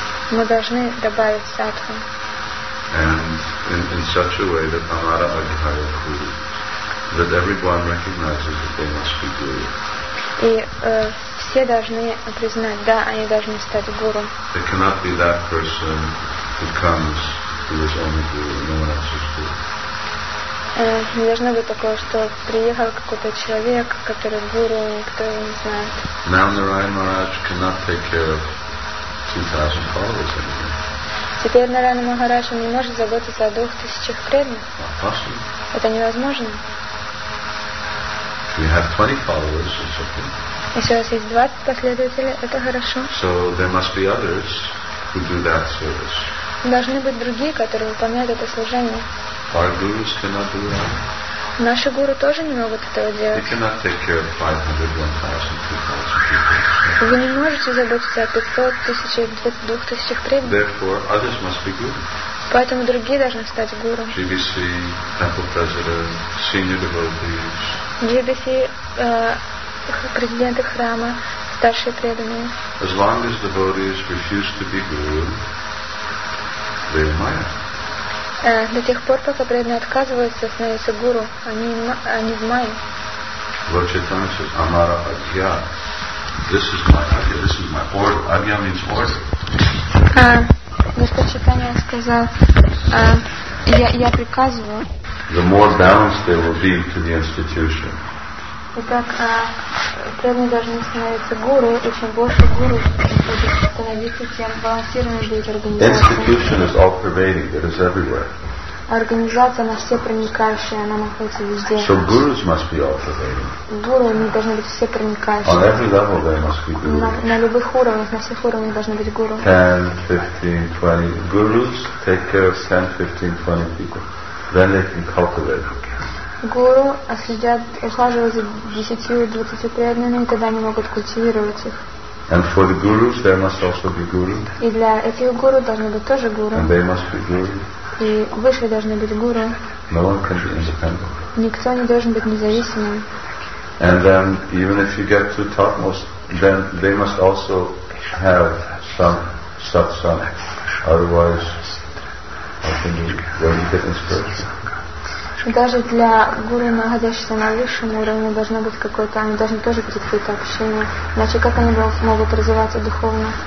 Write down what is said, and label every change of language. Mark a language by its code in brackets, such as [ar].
[ru] Мы должны добавить садху. [en] And in such a way that Amara Agihaya Guru, that everyone recognizes that they must be guru. [ru] И все должны признать, да, они должны стать гуру. [en] It cannot be that person who comes who is only guru, no one else is guru. [ru] Не должно быть такого, что приехал какой-то человек, который гуру, никто его не знает. [en] Now Narayan Maharaj cannot take care of 2,000 followers anymore. [ru] Теперь Нараяна Махарадж не может заботиться о 2,000 преданных. Это невозможно. [en] We have 20 followers, it's okay. [ru] Если у вас есть 20 последователей, это хорошо. [en] So there must be others who do that service. [ru] Должны быть другие, которые выполняют это служение. [en] Our gurus cannot do that. [ru] Наши гуру тоже не могут этого делать. [en] They cannot take care of 500, 1,000, 2,000 people. [ru] Вы не можете заботиться о 500, 1,000, 2,000 преданных. [en] Therefore, others must be guru. [ru] Поэтому другие должны стать гуру. [en] GBC, temple president, senior devotees. [ru] GBC, президенты храма, старшие преданные. [en] As long as devotees refuse to be guru, they are maya. [ru] До тех пор, пока преданные отказываются становиться гуру, они в мае. [en] Lord Chaitanya says, Amara Agya. This is my Agya, this is my order. Agya means order. [ru] Господь Чайтанья сказал, я приказываю. [en] The more balanced they will be to the institution. [ru] Итак, преданные должны становиться гуру, и чем больше гуру будет становиться, тем балансированнее будет организация. [en] Institution is all pervading, it is everywhere. [ru] организация, она все проникающая, она находится везде. [en] So gurus must be all pervading. [ru] Гуру, они должны быть все проникающие. [en] On every level they must be gurus. [ru] На любых уровнях, на всех уровнях должны быть гуру. [en] 10, 15, 20 gurus take care of 10, 15, 20 people. Then they can cultivate. [ru] Гуру следят, ухаживают за 10-20 преданными, тогда они могут культивировать их. [en] And for the gurus, there must also be gurus. [ru] И для этих гуру должны быть тоже гуру. [en] And they must be gurus. [ru] И высшие должны быть гуру. [en] No one can be independent. [ru] Никто не должен быть независимым. [en] And then, even if you get to topmost, then they must also have some satsang. Otherwise, how can you really get inspiration? [ru] Даже для гуру, находящихся на высшем уровне, должно быть какое-то, они должны тоже быть открыто общение. Иначе как они могут развиваться духовно?